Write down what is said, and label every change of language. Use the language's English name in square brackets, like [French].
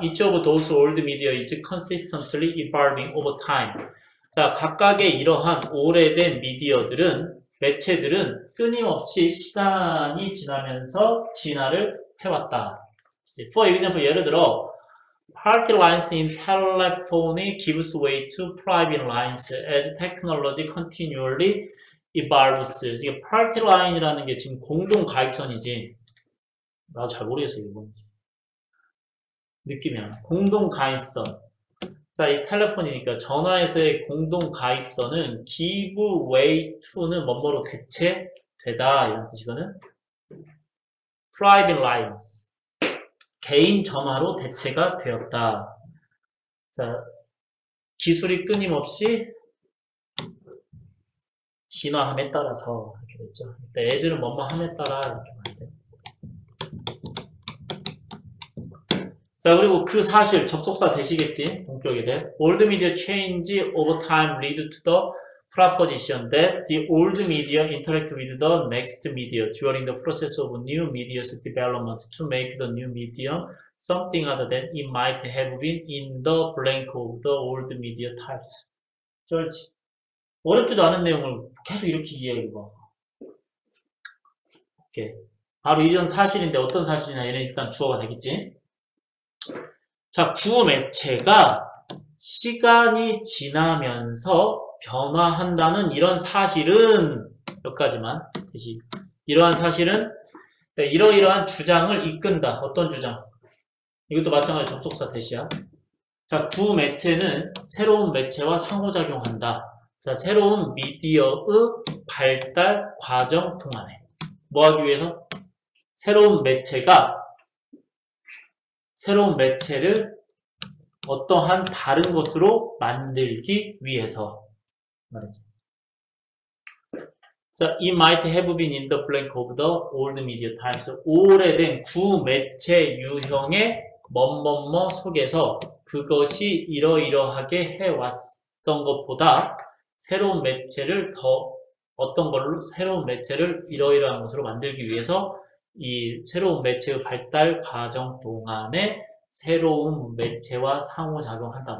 [English] Each of those old media is consistently evolving over time. [Korean] 자, 각각의 이러한 오래된 미디어들은, 매체들은 끊임없이 시간이 지나면서 진화를 해왔다. [English] For example, [Korean] 예를 들어, [English] party lines in telephony gives way to private lines as technology continually evolves. [Korean] 이게 party line이라는 게 지금 공동 가입선이지. 나잘 모르겠어, 이거 뭔지. 느낌이야. 공동 가입선. 자, 이 telephony니까 전화에서의 공동 가입선은 give way to는 뭐뭐로 대체되다. 이런 뜻이거든. [English] private lines. [Korean] 개인 전화로 대체가 되었다. 자, 기술이 끊임없이 진화함에 따라서 이렇게 됐죠. 예제는 뭐뭐함에 따라 이렇게 자, 그리고 그 사실 접속사 되시겠지? 동격이 돼. [English] Old media change over time lead to the proposition that the old media interact with the next media during the process of new media's development to make the new medium something other than it might have been in the blank of the old media types. [Korean] 쩔지. 어렵지도 않은 내용을 계속 이렇게 이해해 봐. 오케이. 바로 이런 사실인데 어떤 사실이냐. 얘는 일단 주어가 되겠지. 자, 구 매체가 시간이 지나면서 변화한다는 이런 사실은 여기까지만 되지. 이러한 사실은 이러이러한 주장을 이끈다. 어떤 주장? 이것도 마찬가지 접속사 대시야. 자, 구 매체는 새로운 매체와 상호작용한다. 자, 새로운 미디어의 발달 과정 동안에. 뭐 하기 위해서? 새로운 매체를 어떠한 다른 것으로 만들기 위해서 말이지. [English] So, it might have been in the blank of the old media times. [Korean] 오래된 구 매체 유형의 뭐뭐뭐 속에서 그것이 이러이러하게 해왔던 것보다 새로운 매체를 더 어떤 걸로 새로운 매체를 이러이러한 것으로 만들기 위해서 이 새로운 매체의 발달 과정 동안에 새로운 매체와 상호작용한다.